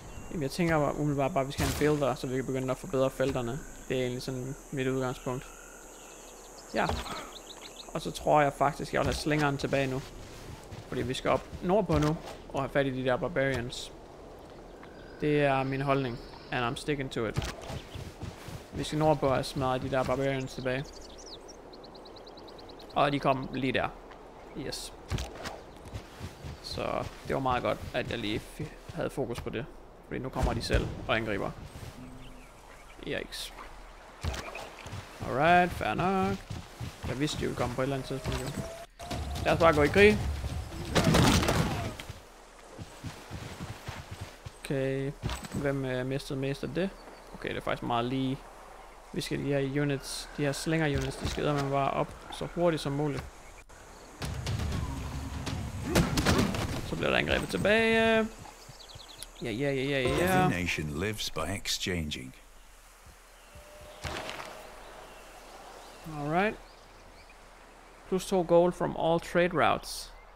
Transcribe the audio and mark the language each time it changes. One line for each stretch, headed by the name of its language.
Danish: Jamen, jeg tænker umiddelbart bare, at vi skal have en builder, så vi kan begynde at forbedre felterne. Det er egentlig sådan mit udgangspunkt. Ja. Og så tror jeg faktisk, at jeg vil have slingeren tilbage nu. Fordi vi skal op nordpå nu, og have fat i de der barbarians. Det er min holdning,
English: and I'm sticking to it.
Danish: Vi skal nordpå og smadre de der barbarians tilbage. Og de kom lige der. Yes. Så det var meget godt, at jeg lige havde fokus på det. Fordi nu kommer de selv og angriber. Yikes. Alright, fair nok. Jeg vidste, de ville komme på et eller andet tidspunkt. Lad os bare gå i krig. Okay, hvem er mistet mest af det? Okay, det er faktisk meget lige. Vi skal lige have units, de her slinger units, de skider man bare op så hurtigt som muligt. Så bliver der angrebet tilbage. Ja, ja, ja, ja, ja.
English: Every nation lives by exchanging. Alright. Plus 2 gold from all trade routes.